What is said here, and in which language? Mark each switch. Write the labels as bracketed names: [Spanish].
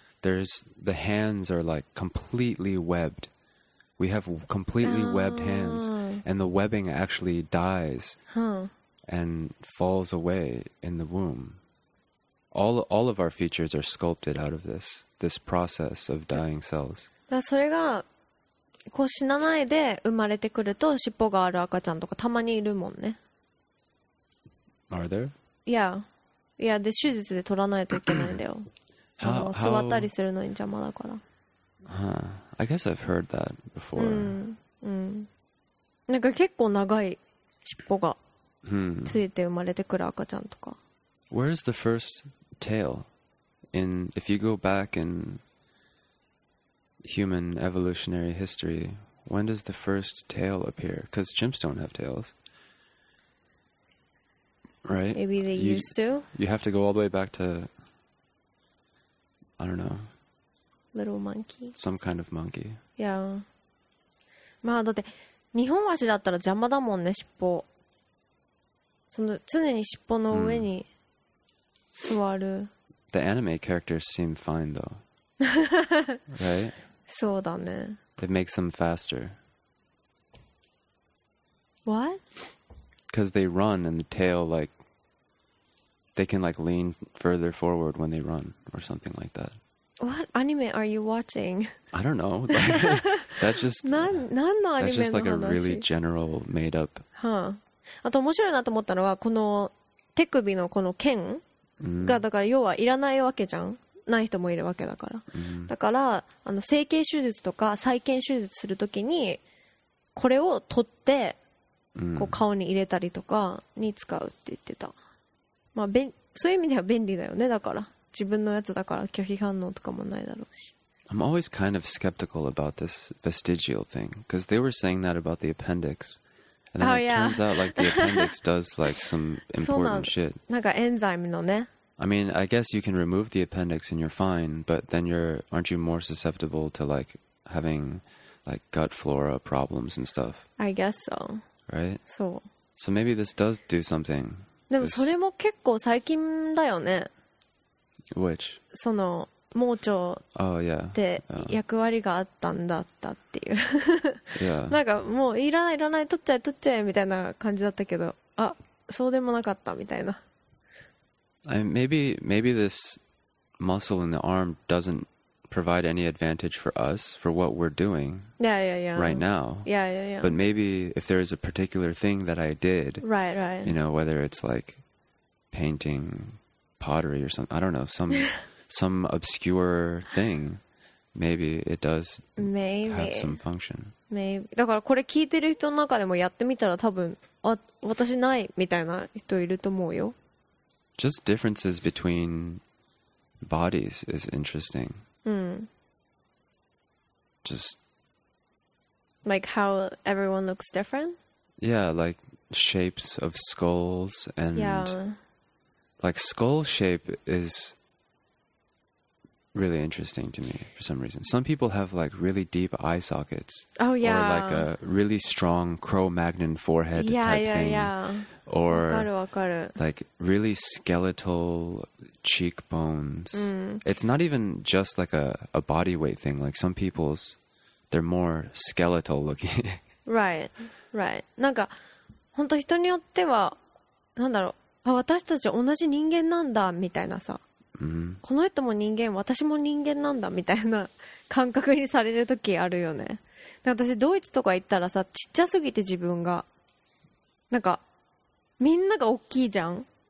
[English] There's the hands are like completely webbed. We have completely webbed hands, and the webbing actually dies and falls away in the womb. All of our features are sculpted out of this process of dying cells. [Japanese] それがこう死なないで生まれてくると尻尾がある赤ちゃんとかたまにいるもんね。 [English] Are there? Yeah. [Japanese] Yeah, で手術で取らないといけないんだよ。座ったりするのに邪魔だから。 [English] I guess I've heard that before. [Japanese] なんか結構長い尻尾がついて生まれてくる赤ちゃんとか。 [English] Where is the first tail? If you go back in human evolutionary history, when does the first tail appear? Because chimps don't have tails. Right? Maybe they used to? You have to go all the way back to, I don't know. Little monkey. Some kind of monkey. Yeah. [Japanese] まあだって日本足だったら邪魔だもんね、尻尾。その常に尻尾の上に座る。 [English] The anime characters seem fine though. Right? [Japanese] そうだね。 [English] It makes them faster. What? Because they run and the tail like they can like lean further forward when they run or something like that. What anime are you watching? I don't know. That's just that's just like a really general made up. [Japanese] あと面白いなと思ったのはこの手首のこの腱がだから要はいらないわけじゃん。ない人もいるわけだから。だからあの整形手術とか再建手術するときにこれを取ってこう顔に入れたりとかに使うって言ってた。まあそういう意味では便利だよね。だから自分のやつだから拒否反応とかもないだろうし。 [English] I'm always kind of skeptical about this vestigial thing because they were saying that about the appendix And then it turns out like the appendix does like some important shit. [Japanese] なんかエンザイムのね。 [English] I mean, I guess you can remove the appendix and you're fine, but then aren't you more susceptible to like having like gut flora problems and stuff? I guess so. Right? [Japanese] そう。 [English] So maybe this does do something. [Japanese] でもそれも結構最近だよね。 [English] Which? [Japanese] その盲腸って役割があったんだったっていう、 [English] yeah. [Japanese] なんかもういらないいらない取っちゃえ取っちゃえみたいな感じだったけど、あ、そうでもなかったみたいな。 [English] Maybe this muscle in the arm doesn't provide any advantage for us for what we're doing right now. Yeah, yeah, yeah. But maybe if there is a particular thing that I did, right, right. You know, whether it's like painting pottery or something, I don't know, some some obscure thing, maybe it does maybe. Have some function. Maybe. [Japanese] だからこれ聞いてる人の中でもやってみたら多分、あ、私ないみたいな人いると思うよ。 [English] Just differences between bodies is interesting. Mm. Just like how everyone looks different? Yeah, like shapes of skulls and yeah. Like skull shape is really interesting to me for some reason. Some people have like really deep eye sockets. Oh yeah. Or like a really strong Cro-Magnon forehead type thing. Or [Japanese] わかる。 [English] Like really skeletal cheekbones. Mm. It's not even just like a body weight thing. Like some people's they're more skeletal looking. Right. Right. [Japanese] なんか本当人によってはなんだろう。あ、私たち同じ人間なんだみたいなさ。 [English] Mm-hmm. [Japanese] この人も人間、私も人間なんだみたいな感覚にされる時あるよね。私ドイツとか行ったらさ、ちっちゃすぎて自分がなんかみんなが大きいじゃん。